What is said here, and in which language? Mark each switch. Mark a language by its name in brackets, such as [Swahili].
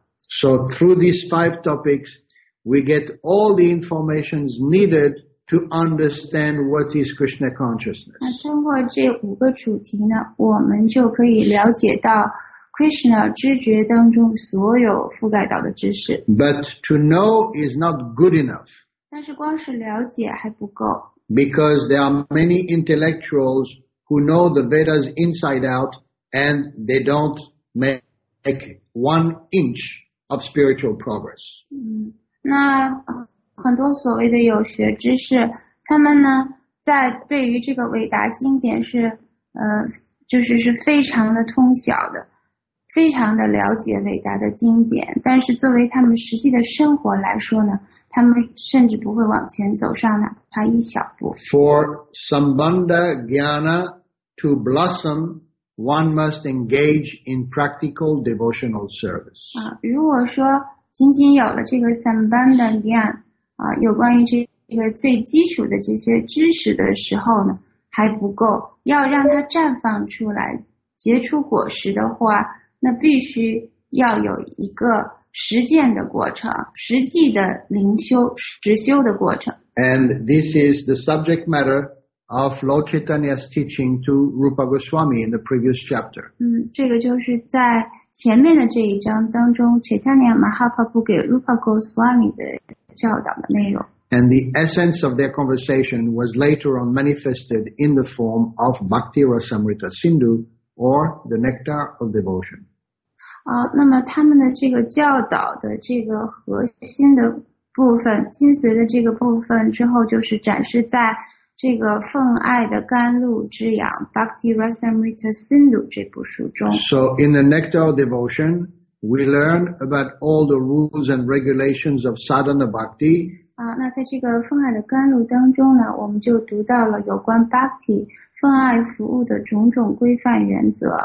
[English] So through these 5 topics, we get all the informations needed to understand what is Krishna consciousness. [Chinese] 那通过这五个主题呢，我们就可以了解到Krishna 知觉当中所有覆盖到的知识。 [English] But to know is not good enough. [Chinese] 但是光是了解还不够。 [English] Because there are many intellectuals who know the Vedas inside out and they don't make one inch of spiritual progress. [Chinese] 那很多所谓的有学知识，他们呢在对于这个伟大经典是就是是非常的通晓的。非常的了解伟大的经典，但是作为他们实际的生活来说呢，他们甚至不会往前走上哪怕一小步。 [English] For sambandha jnana To blossom, one must engage in practical devotional service. [Chinese] 如果说仅仅有了这个三班的念，有关于这个最基础的这些知识的时候呢，还不够，要让它绽放出来，结出果实的话，那必须要有一个实践的过程，实际的灵修、实修的过程。 [English] And this is the subject matter of Lord Chaitanya's teaching to Rupa Goswami in the previous chapter. [Chinese] 这个就是在前面的这一章当中 ，Chaitanya Mahaprabhu 给 Rupa Goswami 的教导的内容。 [English] And the essence of their conversation was later on manifested in the form of Bhakti Rasamrita Sindhu or the Nectar of Devotion. [Chinese] 那么他们的这个教导的这个核心的部分，精髓的这个部分之后，就是展示在这个奉爱的甘露之养 Bhakti Rasamrita Sindhu 这部书中。 [English] So in the Nectar of Devotion, we learn about all the rules and regulations of sadhana bhakti. [Chinese] 那在这个奉爱的甘露当中呢，我们就读到了有关 Bhakti 奉爱服务的种种规范原则。